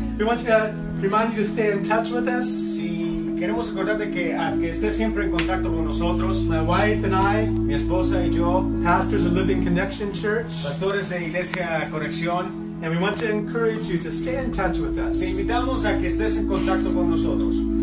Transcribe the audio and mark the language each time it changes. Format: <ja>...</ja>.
<en>We want to remind you to stay in touch with us.</en> <es>Sí, queremos recordarte que estés siempre en contacto con nosotros.</es> <en>My wife and I,</en> <es>mi esposa y yo,</es> <en>pastors of Living Connection Church,</en> <es>pastores de Iglesia Conexión,</es> <en>and we want to encourage you to stay in touch with us.</en> <es>Te invitamos a que estés en contacto con nosotros.</es>